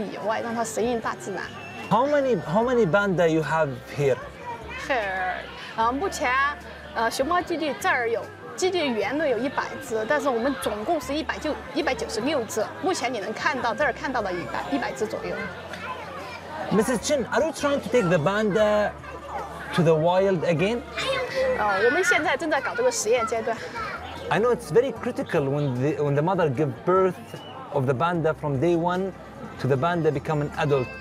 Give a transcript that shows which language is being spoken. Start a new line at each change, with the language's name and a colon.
Chinese: 因为熊猫是濒危动物嘛，我们在圈养条件下主要是来增加它的数量，目的是要放到野外，让它适应大自然。
English: How many banda you have here?
Chinese: Here，目前熊猫基地这儿有。基地原来有一百只，但是我们总共是一百九十六只。目前你能看到这儿看到的一百只左右。
English: Mrs. Chin, are you trying to take the banda to the wild again?
Chinese: 我们现在正在搞这个实验阶段。
English: I know it's very critical when the mother give birth of the banda from day one to the banda become an adult.